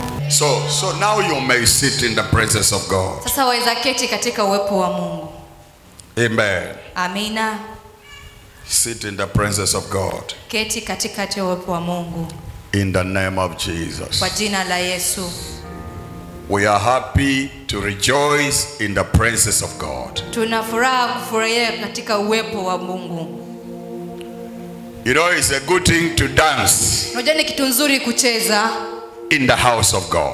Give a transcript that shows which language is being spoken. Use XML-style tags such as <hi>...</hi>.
<en>So now you may sit in the presence of God.</en> <sw>Sasa waweza keti katika uwepo wa Mungu.</sw> <en>Amen.</en> <sw>Amina.</sw> <en>Sit in the presence of God.</en> <sw>Keti katika uwepo wa Mungu.</sw> <en>In the name of Jesus.</en> <sw>Kwa jina la Yesu.</sw> <en>We are happy to rejoice in the presence of God.</en> <sw>Tunafuraha kufurahia katika uwepo wa Mungu.</sw> <en>You know, it's a good thing to dance.</en> <sw>Unajua ni kitu nzuri kucheza.</sw> <en>In the house of God.</en>